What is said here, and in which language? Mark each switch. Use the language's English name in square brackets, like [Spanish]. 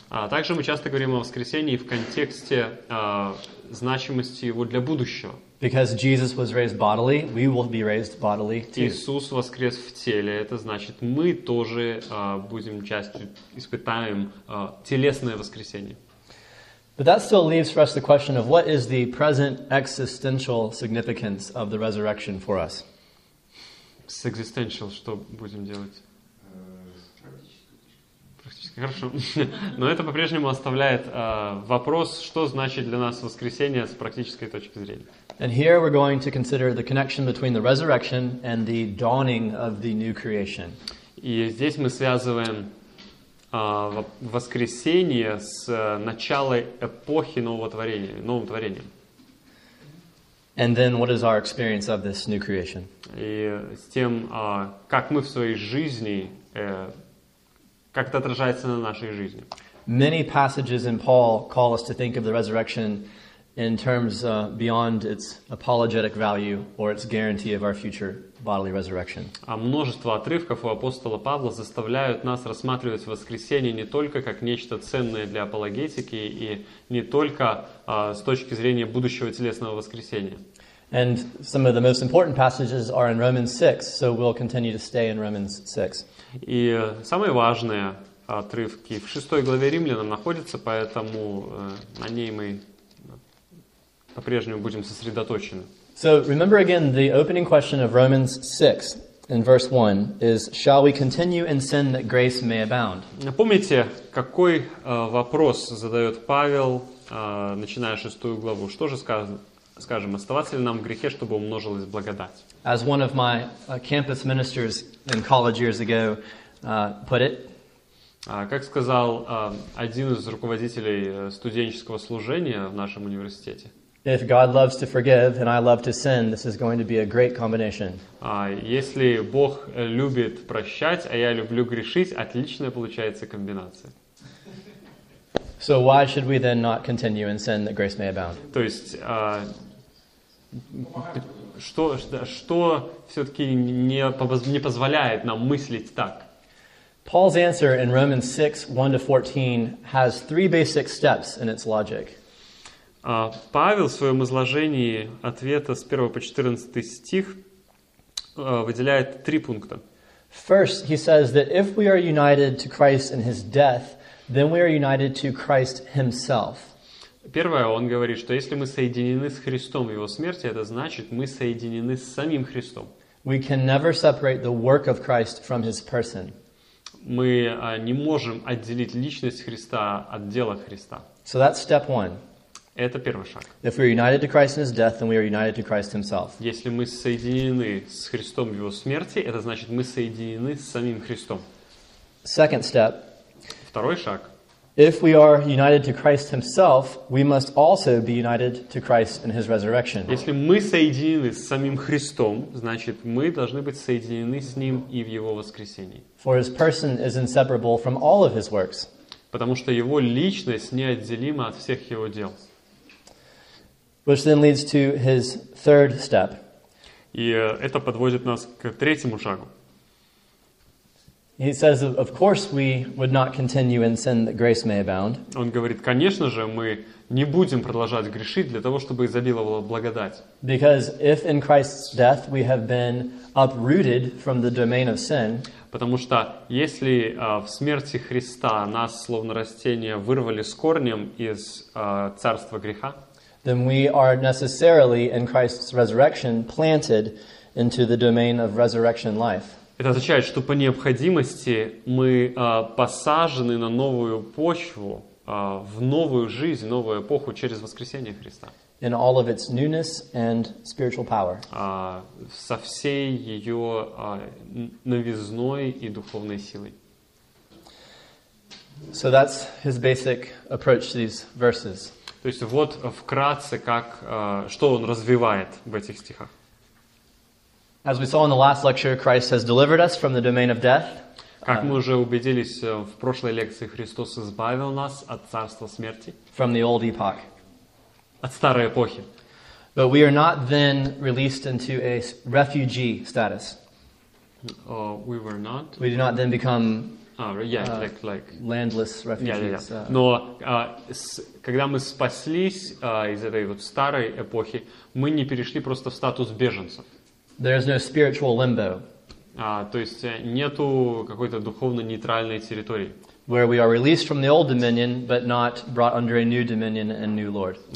[Russian] Также мы часто говорим о воскресении в контексте значимости его для будущего. [English] Because Jesus was raised bodily, we will be raised bodily too. [Russian] Иисус воскрес в теле, это значит, мы тоже будем частью, испытаем телесное воскресение. [English] But that still leaves for us the question of what is the present existential significance of the resurrection for us? [Russian] С existential что будем делать? Хорошо. Но это по-прежнему оставляет вопрос, что значит для нас воскресение с практической точки зрения. [English] And here we're going to consider the connection between the resurrection and the dawning of the new creation. [Russian] И здесь мы связываем воскресение с началом эпохи нового творения, новым творением. [English] And then what is our experience of this new creation? [Russian] И с тем, как мы в своей жизни как это отражается на нашей жизни. [English] Many passages in Paul call us to think of the resurrection in terms beyond its apologetic value or its guarantee of our future bodily resurrection. [Russian] А множество отрывков у апостола Павла заставляют нас рассматривать воскресение не только как нечто ценное для апологетики и не только с точки зрения будущего телесного воскресения. [English] And some of the most important passages are in Romans 6, so we'll continue to stay in Romans 6. [Russian] И самые важные отрывки в 6 главе Римлянам находятся, поэтому на ней мы по-прежнему будем сосредоточены. [English] So, remember again, the opening question of Romans 6 in verse 1 is, shall we continue in sin that grace may abound? [Russian] Помните, какой вопрос задает Павел, начиная 6 главу? Что же сказано? Скажем, оставаться ли нам в грехе, чтобы умножилась благодать? [English] As one of my campus ministers in college years ago put it. [Russian] Как сказал один из руководителей студенческого служения в нашем университете, [English] if God loves to forgive and I love to sin, this is going to be a great combination. [Russian] Если Бог любит прощать, а я люблю грешить, отличная получается комбинация. [English] So why should we then not continue in sin that grace may abound? [Russian] То есть что все-таки не позволяет нам мыслить так? [English] Paul's answer in Romans 6:1-14 has three basic steps in its logic. [Russian] Павел в своем изложении ответа с 1 по 14 стих выделяет три пункта. [English] First, he says that if we are united to Christ in his death, then we are united to Christ himself. [Russian] Первое, он говорит, что если мы соединены с Христом в его смерти, это значит, мы соединены с самим Христом. [English] We can never separate the work of Christ from his person. [Russian] Мы не можем отделить личность Христа от дела Христа. [English] So that's step one. [Russian] Это первый шаг. [English] If we are united to Christ in his death, then we are united to Christ himself. [Russian] Если мы соединены с Христом в его смерти, это значит, мы соединены с самим Христом. [English] Second step. [Russian] Второй шаг. [English] If we are united to Christ himself, we must also be united to Christ in his resurrection. [Russian] Если мы соединены с самим Христом, значит, мы должны быть соединены с ним и в его воскресении. [English] For his person is inseparable from all of his works. [Russian] Потому что его личность неотделима от всех его дел. [English] Which then leads to his third step. [Russian] И это подводит нас к третьему шагу. [English] He says, of course, we would not continue in sin that grace may abound. [Russian] Он говорит, конечно же, мы не будем продолжать грешить для того, чтобы изобиловала благодать. [English] Because if in Christ's death we have been uprooted from the domain of sin. [Russian] Потому что если в смерти Христа нас словно растение вырвали с корнем из царства греха. [English] Then we are necessarily in Christ's resurrection planted into the domain of resurrection life. [Russian] Это означает, что по необходимости мы посажены на новую почву, в новую жизнь, новую эпоху через воскресение Христа. [English] In all of its newness and spiritual power. [Russian] Со всей ее новизной и духовной силой. [English] So that's his basic approach to these verses. [Russian] То есть вот вкратце, как, что он развивает в этих стихах. [English] As we saw in the last lecture, Christ has delivered us from the domain of death. [Russian] Как мы уже убедились в прошлой лекции, Христос избавил нас от царства смерти. [English] From the old epoch. [Russian] От старой эпохи. [English] But we are not then released into a refugee status. We were not. We do not then become landless refugees. Yeah, yeah, yeah. [Russian] Но когда мы спаслись из этой вот старой эпохи, мы не перешли просто в статус беженцев. [English] There is no spiritual limbo. [Russian] То есть нету какой-то духовно нейтральной территории. [English] Where we are released from the old dominion, but not brought under a new dominion and new lord.